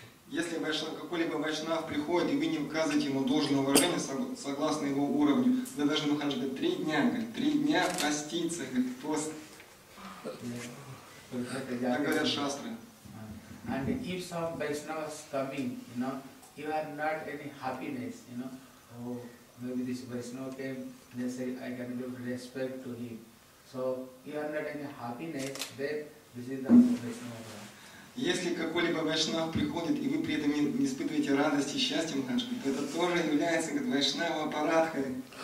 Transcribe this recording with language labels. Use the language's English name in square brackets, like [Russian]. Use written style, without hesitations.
[Russian] Если какой-либо вайшнав приходит, и вы не указываете ему должное уважение согласно его уровню, вы должны махать три дня поститься, как пост. Так говорят шастры. [English] And if some Vaishnava is coming, you know, you are not any happiness, you know. Oh, maybe this Vaishnava came, they say, I can give respect to him. So, you are not any happiness, then this is the Vaishnava. [Russian] Если какой-либо Вайшнава приходит, и вы при этом не испытываете радости и счастья, Махаджи, то это тоже является как Вайшнава Парадхой.